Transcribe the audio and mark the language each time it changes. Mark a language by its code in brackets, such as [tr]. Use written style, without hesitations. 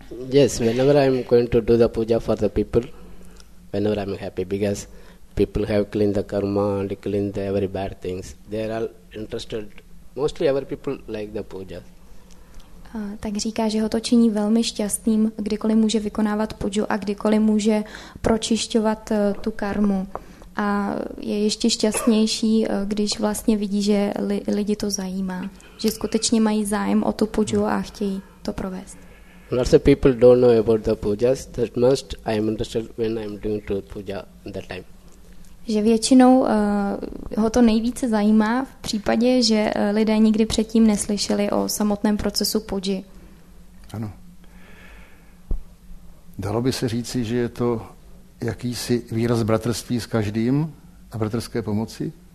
[en] Yes, whenever I'm going to do the puja for the people, whenever I'm happy, because people have cleaned the karma and cleaned the very bad things, they are all interested, mostly our people like the puja. [cs] Tak říká, že ho to činí velmi šťastným, kdykoliv může vykonávat puju a kdykoliv může pročišťovat tu karmu. A je ještě šťastnější, když vlastně vidí, že lidi to zajímá, že skutečně mají zájem o tu puju a chtějí to provést. [en] Lots of people don't know about the pujas. That must I am interested when I am doing to puja that time. [cs] Že většinou ho to nejvíce zajímá v případě, že lidé nikdy předtím neslyšeli o samotném procesu puji. Ano. Dalo by se říci, že je to jakýsi výraz bratrství s každým a bratrské pomoci?